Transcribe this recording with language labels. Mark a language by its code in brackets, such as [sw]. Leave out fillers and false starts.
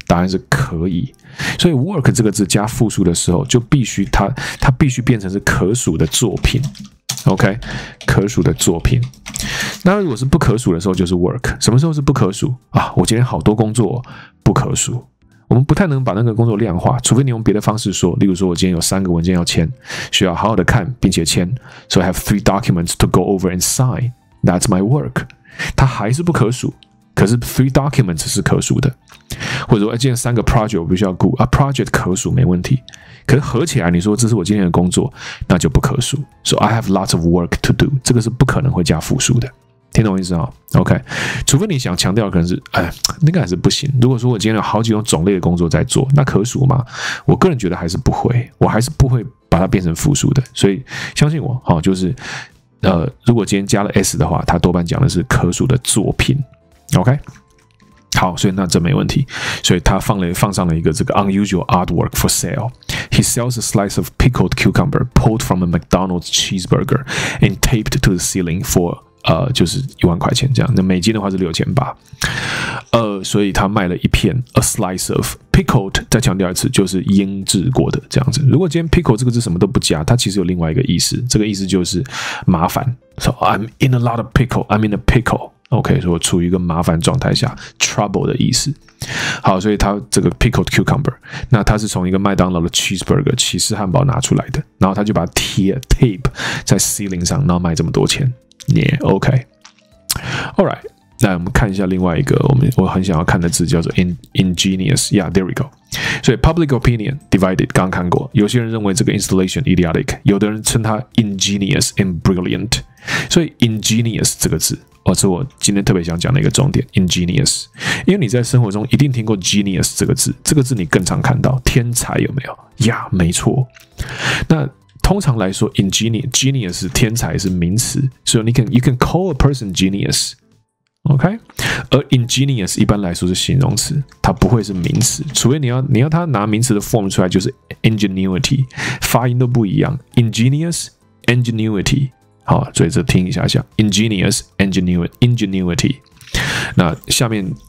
[zh] 答案是可以。所以 work 这个字加复数的时候，就必须它必须变成是可数的作品。 OK， 可数的作品。那如果是不可数的时候，就是 work。什么时候是不可数啊？我今天好多工作、哦、不可数。我们不太能把那个工作量化，除非你用别的方式说，例如说我今天有三个文件要签，需要好好的看并且签。 [en] So I have three documents to go over and sign. That's my work. [zh] 它还是不可数，可是 three documents 是可数的。或者说，今天三个 project 我必须要顾啊 ，project 可数没问题。可是合起来，你说这是我今天的工作，那就不可数。 [en] So I have lots of work to do. [zh] 这个是不可能会加复数的。听懂意思啊 ？OK， 除非你想强调，可能是哎，那个还是不行。如果说我今天有好几种种类的工作在做，那可数吗？我个人觉得还是不会，我还是不会把它变成复数的。所以相信我，哦、就是如果今天加了 S 的话，它多半讲的是可数的作品。 OK， 好，所以那这没问题。所以他放上了一个这个 [en] unusual artwork for sale。 He sells a slice of pickled cucumber pulled from a McDonald's cheeseburger and taped to the ceiling for。 [zh] 就是10,000块钱这样，那美金的话是6,800。所以他卖了一片 [en] a slice of pickled， [zh] 再强调一次，就是腌制过的这样子。如果今天 pickle 这个字什么都不加，它其实有另外一个意思，这个意思就是麻烦。 [en] So I'm in a lot of pickle. I'm in a pickle. [zh] OK， 所以我处于一个麻烦状态下 ，trouble 的意思。好，所以他这个 pickled cucumber， 那他是从一个麦当劳的 cheeseburger 起司汉堡拿出来的，然后他就把它贴 tape 在 ceiling 上，然后卖这么多钱。 [en] Yeah, OK. All right. [zh] 那我们看一下另外一个我很想要看的字叫做 ingenious. [en] Yeah, there we go. [zh] 所以 public opinion divided. 刚刚看过，有些人认为这个 installation idiotic， 有的人称它 [en] ingenious and brilliant. [zh] 所以 ingenious 这个字，是我今天特别想讲的一个重点 ingenious. 因为你在生活中一定听过 genius 这个字，这个字你更常看到天才有没有？呀、yeah, ，没错。那通常来说 ，ingenious 是天才是名词，所、so、以 [en] you can call a person genius， [zh] OK？而 ingenious 一般来说是形容词，它不会是名词，除非你要它拿名词的 form 出来，就是 ingenuity， 发音都不一样 ，ingenious ingenuity， 好，所以这听一下下 ，ingenious ingenuity， 那下面。